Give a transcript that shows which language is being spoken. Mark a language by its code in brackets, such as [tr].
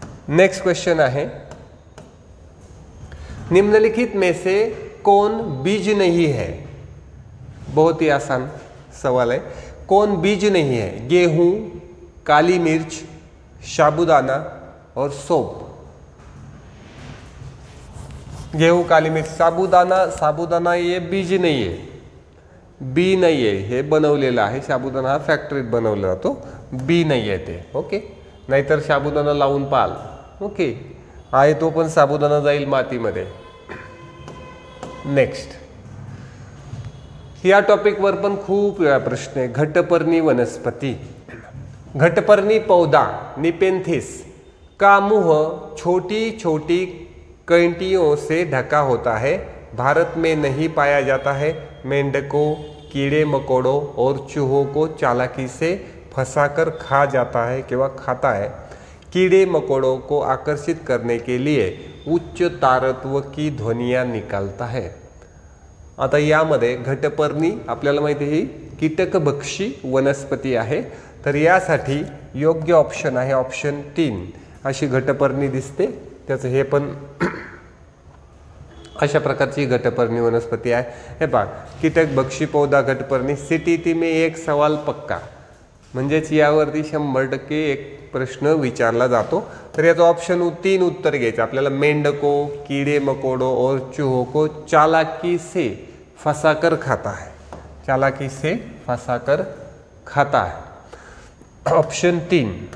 [mr] Next question आहे, [hi] निम्नलिखित में से कौन बीज नहीं है, बहुत ही आसान सवाल है, कौन बीज नहीं है, गेहूं, काली मिर्च, साबूदाना और सौंफ। गेहूं, काली मिर्च, साबूदाना, साबूदाना ये बीज नहीं है, [mr] बी नहीं है, हे बनवलेलं आहे, साबूदाणा फॅक्टरीत बनवला जातो, बी नाही आहे ते, ओके, नाहीतर साबूदाणा लावून पाल, ओके, आहे तो पण साबूदाणा जाईल मातीमध्ये। नेक्स्ट, या टॉपिकवर पण खूप वेळा प्रश्न आहे, घटपर्णी वनस्पती, [hi] घटपर्णी पौधा निपेंथिस का मुह छोटी छोटी कैंटियों से ढका होता है, भारत में नहीं पाया जाता है, मेंढकों, कीड़े मकोड़ों और चूहों को चालाकी से फंसाकर खा जाता है किंवा खाता है, कीड़े मकोड़ों को आकर्षित करने के लिए उच्च तारत्व की ध्वनियां निकालता है। [mr] आता यामध्ये घटपर्णी आपल्याला माहिती आहे कीटक भक्षी वनस्पती आहे, तर यासाठी योग्य ऑप्शन आहे ऑप्शन तीन, अशी घटपर्णी दिसते, त्याचं हे पण अशा प्रकारची घटपर्णी वनस्पती आहे। हे पहा, [hi] कीटक भक्षी पौधा घटपर्णी, सीटीटी में एक सवाल पक्का, [mr] म्हणजेच यावरती 100% एक प्रश्न विचारला जातो, तर याचं ऑप्शन तीन उत्तर घ्यायचं, आपल्याला [hi] मेंढको, कीडे मकोडो और चूहो को चालाकी से फसाकर खाता है, [mr] चालाकी से फसाकर खाता है, ऑप्शन तीन।